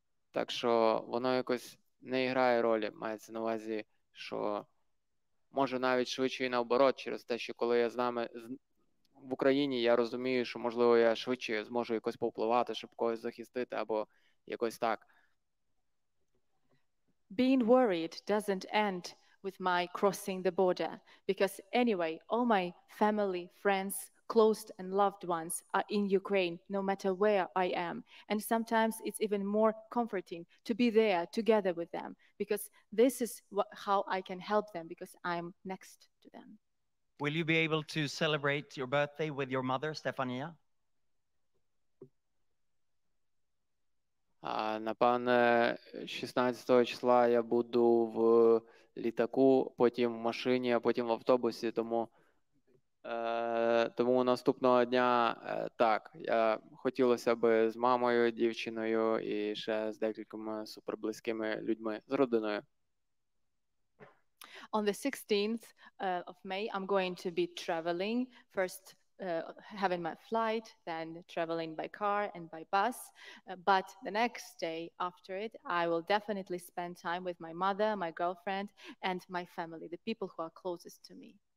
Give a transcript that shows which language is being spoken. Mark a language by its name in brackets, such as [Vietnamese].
[Ukrainian] Так що воно якось не грає ролі, мається на увазі, що може навіть швидше і наоборот, через те, що коли я з нами... В Україні я розумію, що, можливо, я швидше зможу якось повпливати, щоб когось захистити або якось так. [English] Being worried doesn't end with my crossing the border, because anyway, all my family, friends, close and loved ones are in Ukraine, no matter where I am. And sometimes it's even more comforting to be there together with them, because this is how I can help them, because I'm next to them. Will you be able to celebrate your birthday with your mother, Stefania? [Ukrainian] Напевно, 16-го числа я буду в літаку, потім в машині, а потім в автобусі, тому наступного дня так, я хотілося б з мамою, дівчиною і ще з декількома суперблизькими людьми, з родиною. [English] On the 16th of May, I'm going to be traveling, first having my flight, then traveling by car and by bus. But the next day after it, I will definitely spend time with my mother, my girlfriend, and my family, the people who are closest to me.